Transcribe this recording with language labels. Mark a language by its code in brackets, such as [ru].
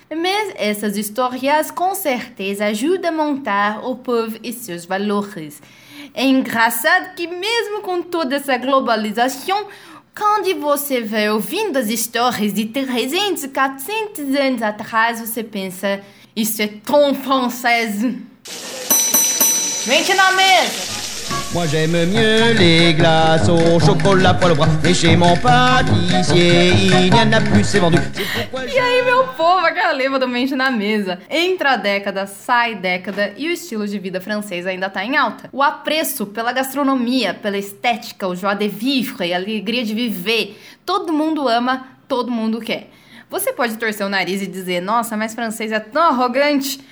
[pt] Mas essas histórias com certeza ajudam a montar o povo e seus valores. É engraçado que mesmo com toda essa globalização, quando você vai ouvindo as histórias de 300, 400 anos atrás, você pensa, isso é tão francês. Vem aqui na mesa! [fr] Moi j'aime mieux les glaces au chocolat poil au bras. Et chez mon pâtissier, il n'y en a plus, c'est vendu. [pt] E aí, meu povo, a galera do Mente na Mesa. Entra a década, sai década e o estilo de vida francês ainda tá em alta. O apreço pela gastronomia, pela estética, o joie de vivre e a alegria de viver. Todo mundo ama, todo mundo quer. Você pode torcer o nariz e dizer, nossa, mas francês é tão arrogante.